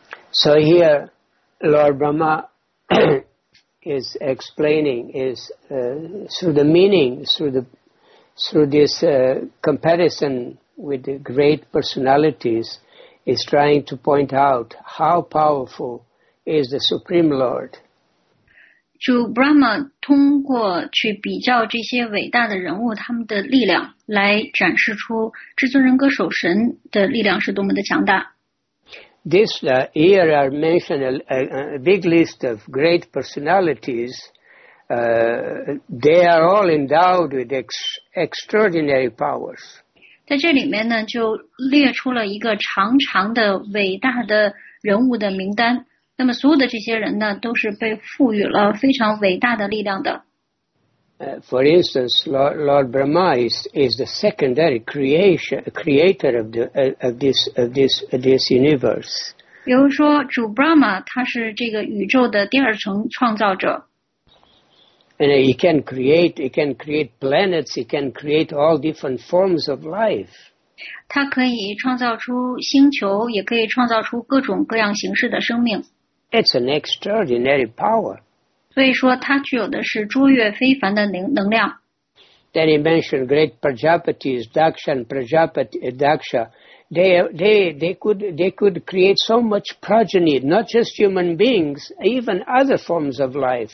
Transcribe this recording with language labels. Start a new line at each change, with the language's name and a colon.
English: So here, Lord Brahma is explaining, is through the meaning, through this comparison with the great personalities, is trying to point out how powerful is the Supreme Lord.
Chinese: 主 Brahma 通过去比较这些伟大的人物他们的力量来展示出至尊人歌手神的力量是多么的强大。
English: This here I mentioned a big list of great personalities. They are all endowed with extraordinary powers.
Chinese: 在这里面呢就列出了一个长长的伟大的人物的名单。那么所有的这些人呢都是被赋予了非常伟大的力量的。
English: For instance, Lord Brahma is the secondary creator of this universe.
Chinese: 比如说主 Brahma 他是这个宇宙的第二层创造者。
English: And he can create planets, he can create all different forms of life.
Chinese: 他可以创造出星球，也可以创造出各种各样形式的生命。
English: It's an extraordinary power.
Chinese: 所以说它具有的是卓越非凡的能量。
English: Then he mentioned great Prajapatis, Daksha and Prajapati, Daksha. They could create so much progeny, not just human beings, even other forms of life.